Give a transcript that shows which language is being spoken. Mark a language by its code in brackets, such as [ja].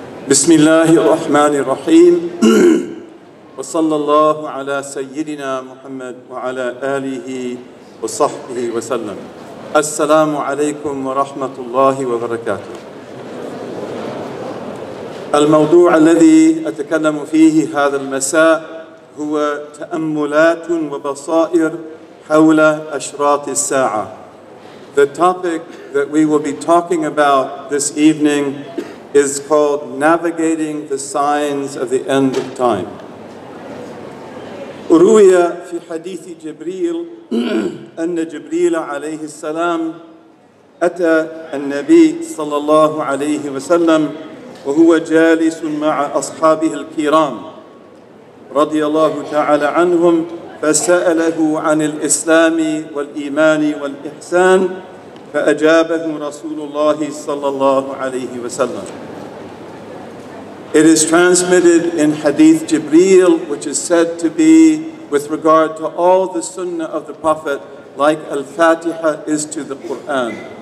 [ar] بسم الله الرحمن الرحيم وصلى الله على سيدنا محمد وعلى آله وصحبه وسلم السلام عليكم ورحمة الله وبركاته الموضوع الذي أتكلم فيه هذا المساء هو تأملات وبصائر حول أشراط الساعة. [en] The topic that we will be talking about this evening is called Navigating the Signs of the End of Time. [ar] روي في حديث جبريل أن جبريل عليه السلام أتى النبي صلى الله عليه وسلم وهو جالس مع أصحابه الكرام رضي الله تعالى عنهم فسأله عن الإسلام والإيمان والإحسان فأجابه رسول الله صلى الله عليه وسلم. [en] It is transmitted in Hadith Jibreel, which is said to be with regard to all the Sunnah of the Prophet, like Al-Fatiha is to the Qur'an.